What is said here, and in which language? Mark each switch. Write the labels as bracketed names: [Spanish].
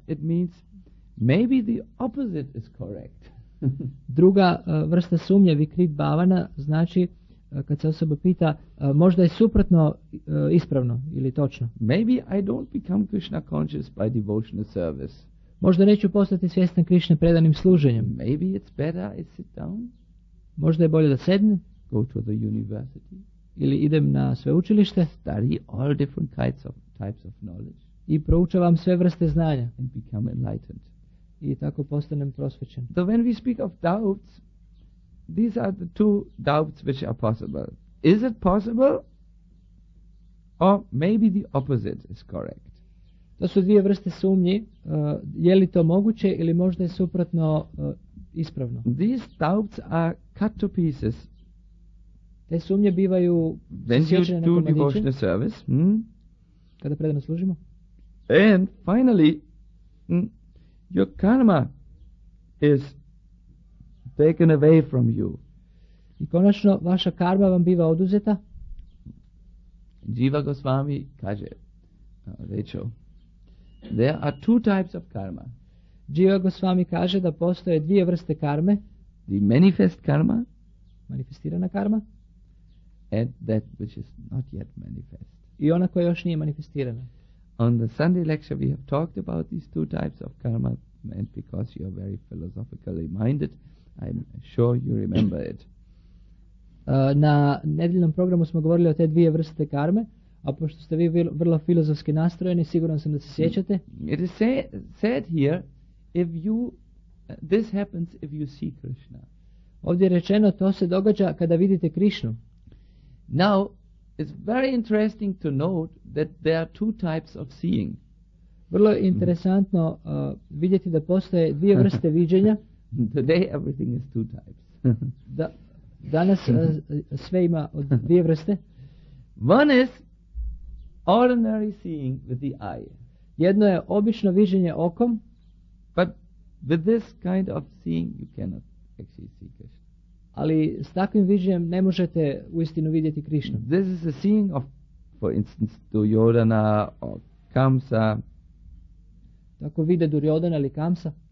[English] It means maybe the opposite is correct. [Croatian] Druga vrsta sumnje, vikrit bhavana, znači kad se osoba pita, možda je suprotno ispravno ili točno. [English] Maybe I don't become Krishna conscious by devotional service. [Croatian] Možda neću postati svjestan Krishna predanim služenjem. [English] Maybe it's better I sit down. [Croatian] Možda je bolje da sednem. [English] Go to the university. [Croatian] Ili idem na sveučilište. [English] Study all different kinds of types of knowledge. [Croatian] I proučavam sve vrste znanja. [English] And become enlightened. [Croatian] I tako postanem prosvećen. [English] So when we speak of doubts, these are the two doubts which are possible. Is it possible? Or maybe the opposite is correct. [Croatian] To su dvije vrste sumnji. Je li to moguće ili možda je suprotno ispravno? [English] These doubts are cut to pieces. [Croatian] Te sumnje bivaju sječene na komadiće. [English] Devotional service, [Croatian] kada predano služimo. [English] And finally, your karma is taken away from you. [Croatian] I konačno, vaša karma vam biva oduzeta. Jiva Goswami kaže, Rachel. [English] There are two types of karma. [Croatian] Jiva Goswami kaže da postoje dvije vrste karme. [English] The manifest karma. [Croatian] Manifestirana karma. [English] And that which is not yet manifest. [Croatian] I ona koja još nije manifestirana. [English] On the Sunday lecture we have talked about these two types of karma, and because you are very philosophically minded, I'm sure you remember it. [Croatian] Na nedjeljnom programu smo govorili o te dvije vrste karme, a pošto ste vi vrlo filozofski nastrojeni, siguran sam da se sjećate. [English] It is said here, if you, this happens if you see Krishna. [Croatian] Ovdje je rečeno, to se događa kada vidite Krišnu. [English] Now, it's very interesting to note that there are two types of seeing. [Croatian] Vrlo je interesantno vidjeti da postoje dvije vrste viđenja. [English] Today everything is two types. [Croatian] Danas sve ima od dvije vrste. [English] One is ordinary seeing with the eye. [Croatian] Jedno je obično viđenje okom. [English] But with this kind of seeing you cannot actually see Krishna. [Croatian] Ali s takvim viđenjem ne možete uistinu vidjeti Krishnu. [English] This is a seeing of, for instance, Duryodhana or Kamsa. [Croatian] Tako vide Duryodhana ili Kamsa.